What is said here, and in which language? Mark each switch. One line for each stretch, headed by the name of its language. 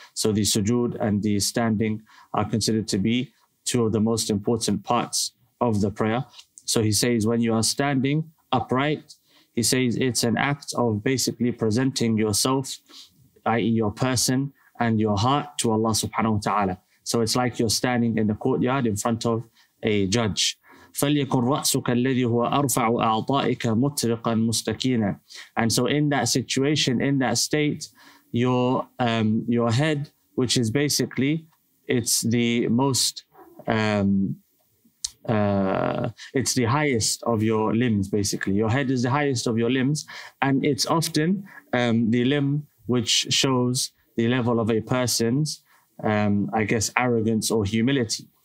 English: So the sujood and the standing are considered to be two of the most important parts of the prayer. So he says, when you are standing upright, he says it's an act of basically presenting yourself, i.e. your person and your heart, to Allah subhanahu wa ta'ala. So it's like you're standing in the courtyard in front of a judge.
Arabic: فَلْيَكُنْ رَأْسُكَ الَّذِي هُوَ أَرْفَعُ أَعْضَائِكَ مُتْرِقًا مُسْتَكِينًا.
English: And so in that situation, in that state, your head, which is basically, it's the highest of your limbs, basically. Your head is the highest of your limbs, and it's often the limb which shows the level of a person's, arrogance or humility.